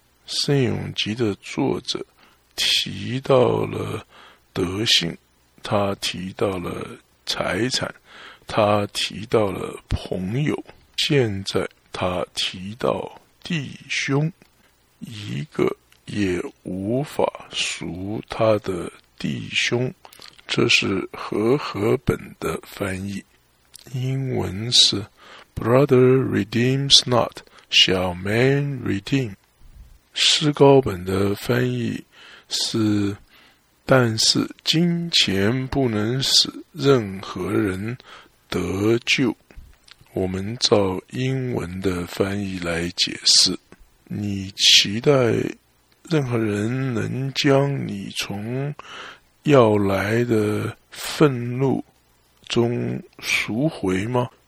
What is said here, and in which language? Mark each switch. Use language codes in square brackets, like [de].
[zh] 圣咏集的作者提到了德性，他提到了财产，他提到了朋友，现在他提到弟兄，一个也无法赎他的弟兄。这是和合本的翻译，英文是 [en] Brother redeems not, shall man redeem。 [zh] 诗高本的翻译是，但是金钱不能使任何人得救。我们照英文的翻译来解释，你期待任何人能将你从要来的愤怒中赎回吗？